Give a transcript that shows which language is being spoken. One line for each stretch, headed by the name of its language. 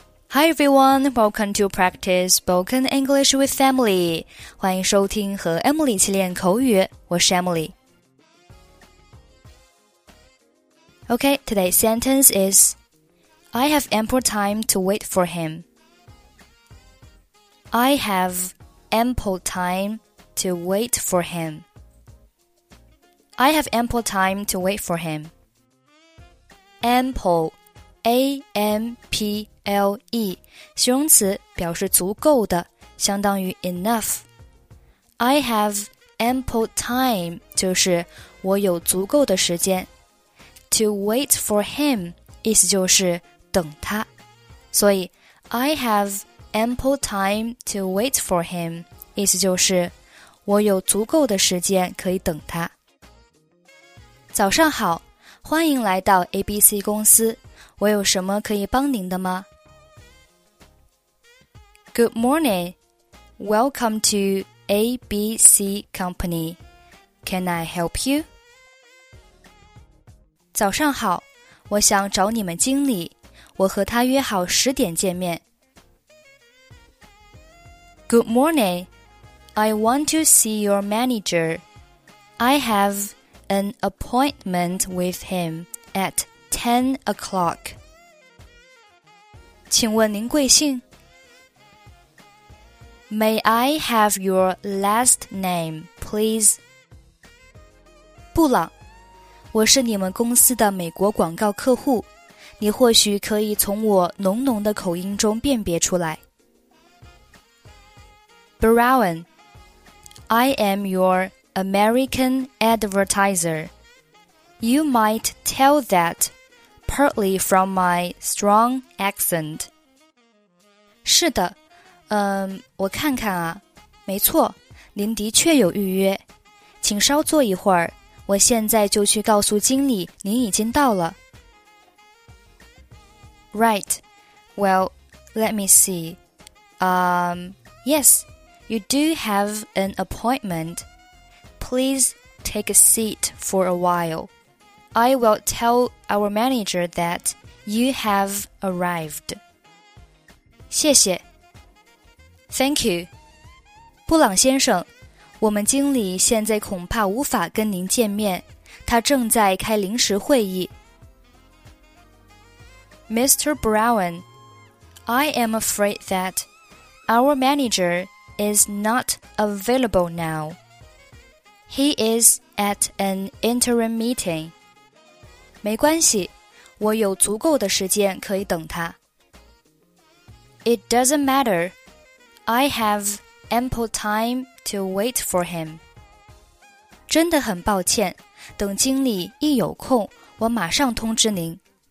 English: Hi everyone, welcome to practice spoken English with Emily.
Chinese: 欢迎收听和 Emily 一起练口语，我是 Emily.
English: Okay, today's sentence is, I have ample time to wait for him. I have ample time to wait for him. I have ample time to wait for him.
Chinese: Ample, A-M-P-L-E, 形容词表示足够的，相当于 enough.
English: I have ample time,
Chinese: 就是我有足够的时间。
English: To wait for him,
Chinese: 意思就是等他。所以
English: I have ample time to wait for him,
Chinese: 意思就是我有足够的时间可以等他。早上好，欢迎来到 ABC 公司，我有什么可以帮您的吗？
English: Good morning. Welcome to ABC Company. Can I help you?
Chinese: 早上好，我想找你们经理，我和他约好十点见面。
English: Good morning. I want to see your manager. I have an appointment with him at 10 o'clock.
Chinese: 请问您贵姓？
English: May I have your last name, please?
Chinese: 布朗，我是你们公司的美国广告客户，你或许可以从我浓浓的口音中辨别出来。
English: Brown, I am your American advertiser. You might tell that partly from my strong accent.
Chinese: 是的，我看看啊，没错，您的确有预约。请稍坐一会儿，我现在就去告诉经理您已经到了。
English: Right, well, let me see. Yes. You do have an appointment. Please take a seat for a while. I will tell our manager that you have arrived.
Chinese: 谢谢。
English: Thank you.
Chinese: 布朗先生，我们经理现在恐怕无法跟您见面，他正在开临时会议。
English: Mr. Brown, I am afraid that our manager... is not available now. He is at an interim meeting.
Chinese: 没关系，我有足够的时间可以等他。
English: It doesn't matter. I have ample time to wait for him.
Chinese: 真的很抱歉，等经理一有空，我马上通知您。